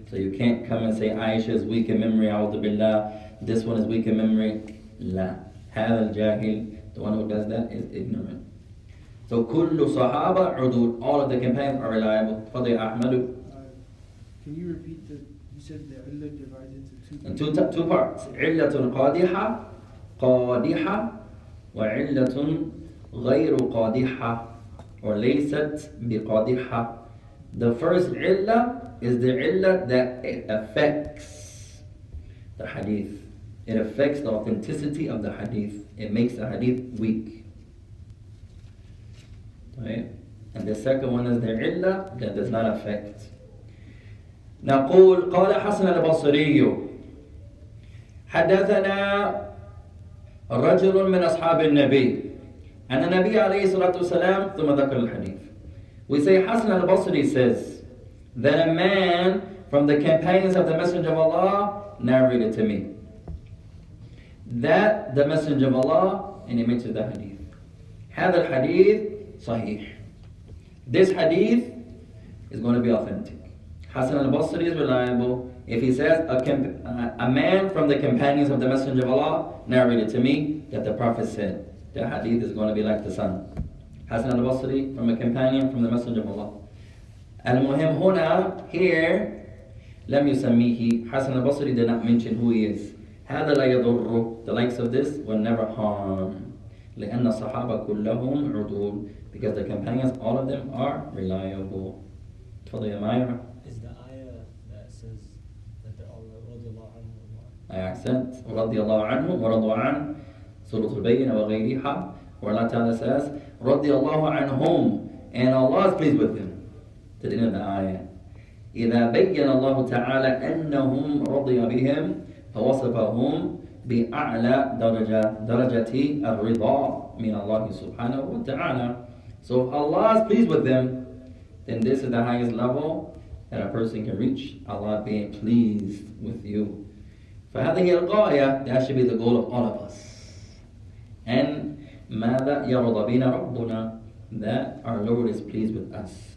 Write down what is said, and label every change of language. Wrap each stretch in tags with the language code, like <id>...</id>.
<en>So you can't come and say, Aisha is weak in memory, a'udhu billah. This one is weak in memory. La.</en> <ar>هذا الجاهل,</ar> <en>the one who does that is ignorant. So</en> <ar>كل صحابة عدود,</ar> <en>all of the companions are reliable.</en> <ar>فضي أحمد.</ar> <en>Can you repeat the, you said the illah divided into two parts.</en> <ar>علة قادحة, قادحة, وعلة غير قادحة, or ليست بقادحة.</ar> <en>The first علة is the علة that it affects the hadith. It affects the authenticity of the hadith. It makes the hadith weak. Right? And the second one is the illa that does not affect.</en> <ar>نقول قال حسن البصري حدثنا رجل من أصحاب النبي أن النبي عليه الصلاة والسلام ثم ذكر الحديث.</ar> <en>We say حسن البصري says that a man from the companions of the Messenger of Allah narrated to me. That the Messenger of Allah, and he mentioned the hadith.</en> <ar>هذا الحديث صحيح.</ar> <en>This hadith is going to be authentic. Hasan al-Basri is reliable. If he says, a man from the companions of the Messenger of Allah narrated to me that the Prophet said, the hadith is going to be like the sun. Hasan al-Basri from a companion from the Messenger of Allah.</en> <ar>Al-Muhim huna,</ar> <en>here,</en> <ar>لم يسميه.</ar> <en>Hasan al-Basri did not mention who he is.</en> <ar>هذا لا يضر,</ar> <en>the likes of this will never harm.</en> <ar>لأن الصحابة كلهم عدول,</ar> <en>because the companions, all of them are reliable.</en> <ar>تفضل يا مايرا.</ar> <en>Is the ayah that says that they're all رضي الله عنه وما? I accent.</en> <ar>رضي الله عنه ورضوا عن سورة البينة وغيرها.</ar> <en>Where Allah Ta'ala says, رضي الله عنهم, and Allah is pleased with them. To the end of the ayah.</en> <ar>إذا بين الله تعالى أنهم رضي بهم فوصفهم بأعلى درجة درجة الرضا من الله سبحانه وتعالى.</ar> <en>So if Allah is pleased with them, then this is the highest level that a person can reach, Allah being pleased with you.</en> <ar>فهذه الغاية,</ar> <en>that should be the goal of all of us. And</en> <ar>ماذا يرضى بنا ربنا,</ar> <en>that our Lord is pleased with us.</en>